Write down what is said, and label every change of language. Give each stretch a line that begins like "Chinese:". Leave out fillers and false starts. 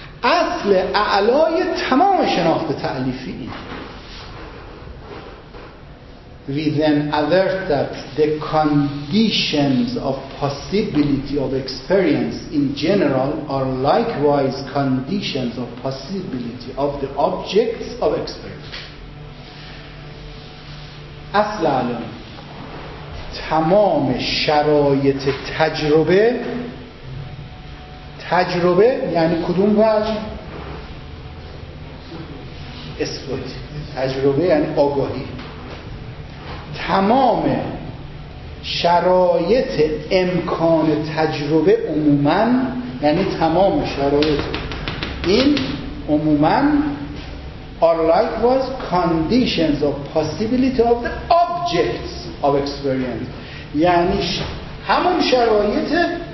Persian: اصل اعلای تمام شناخت تألیفی این.
English: We then assert that the conditions of possibility of experience in general are likewise conditions of possibility of the objects of experience.
Persian: اصل علم تمام شرایط تجربه، تجربه یعنی کدوم وجه؟ اثبات. تجربه یعنی آگاهی. تمام شرایط امکان تجربه عموماً، یعنی تمام شرایط این عموماً،
English: are likewise conditions of possibility of the objects of experience،
Persian: یعنی همون شرایط